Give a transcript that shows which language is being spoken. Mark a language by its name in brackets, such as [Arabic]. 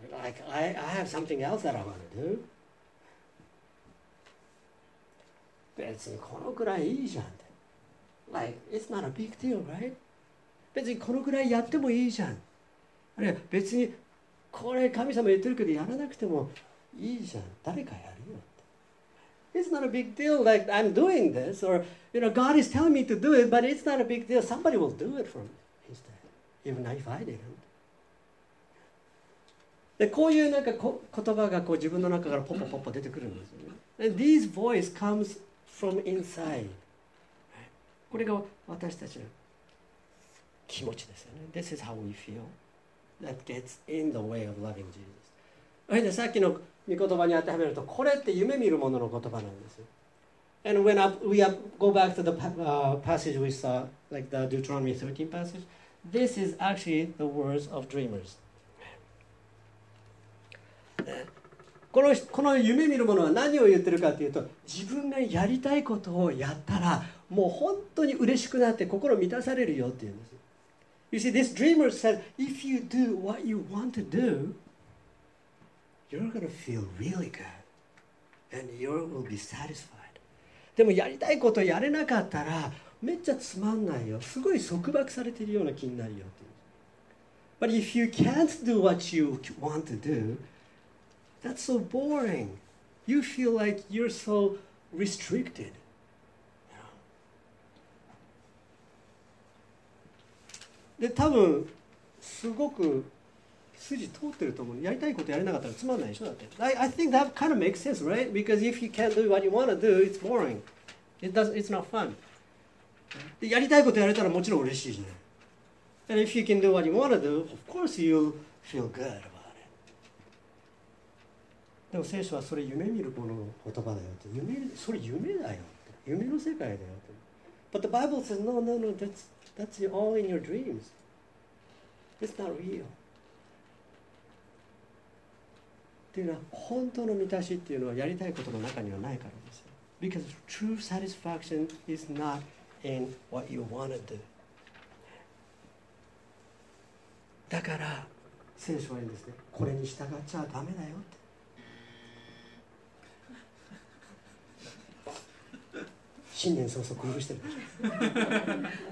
[English] Like, I have something else that I want to do. [Japanese] 別にこのくらいいいじゃんって。 [English] Like, it's not a big deal, right? [Japanese] 別にこのくらいやってもいいじゃん。あるいは別にこれ神様言ってるけどやらなくてもいいじゃん、誰かやるよって。 [English] It's not a big deal like I'm doing this or you know God is telling me to do it, but it's not a big deal, somebody will do it for me instead even if I didn't。 [Japanese] でこういうなんか言葉がこう自分の中からポッポッポッポ出てくるんですよね。 [English] And this voice comes from inside。 [Japanese] これが私たちの気持ちですよね。 [English] This is how we feel that gets in the way of loving Jesus。 [Japanese] さっきの御言葉に当てはめると、これって夢見る者の言葉なんですよ。 [English] And when we go back to the passage we saw, like the Deuteronomy 13 passage, this is actually the words of dreamers. [Japanese] この夢見る者は何を言ってるかというと、自分がやりたいことをやったら、もう本当に嬉しくなって心満たされるよって言うんです。 [English] You see, this dreamer said, if you do what you want to do,You're gonna feel really good, and you will be satisfied. [Japanese] でもやりたいことをやれなかったらめっちゃつまんないよ。すごい束縛されてるような気になるよっていう。 [English] But if you can't do what you want to do, that's so boring. You feel like you're so restricted. [Japanese] で多分すごく筋通ってると思う。やりたいことやれなかったらつまんないでしょ、だって。 [English] I think that kind of makes sense, right? Because if you can't do what you want to do, it's boring. It's not fun. [Japanese] で、やりたいことやれたらもちろん嬉しいじゃない。 [English] And if you can do what you want to do, of course you'll feel good about it. [Japanese] でも聖書はそれ夢見る子の言葉だよって。夢、それ夢だよって。夢の世界だよって。 [English] But the Bible says, no, no, no, that's all in your dreams. It's not real. [Japanese] っていうのは本当の満たしっていうのはやりたいことの中にはないからですよ。 [English] Because true satisfaction is not in what you want to do. [Japanese] だから聖書は言うんですね。これに従っちゃダメだよって。新年早々苦労してるでしょ。